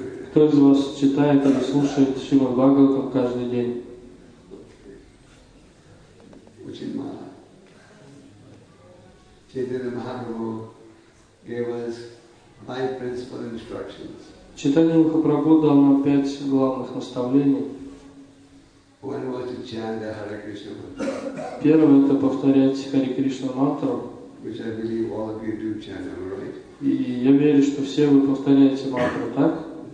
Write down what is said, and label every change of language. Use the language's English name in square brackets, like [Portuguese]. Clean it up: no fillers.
[Russian] Кто из вас читает или слушает Шримад Бхагаватам каждый день? Учинмала. [English] Чайтанья Махапрабху gave us five principal instructions. [Russian] Чайтанья Махапрабху дал нам пять главных наставлений. [English] One was to chant the Hare Krishna mantra. [Russian] Первое это повторять Хари Кришна мантру. [English] Which I believe all of you do chant, am I right? [Russian] И я верю, что все вы повторяете мантру, так?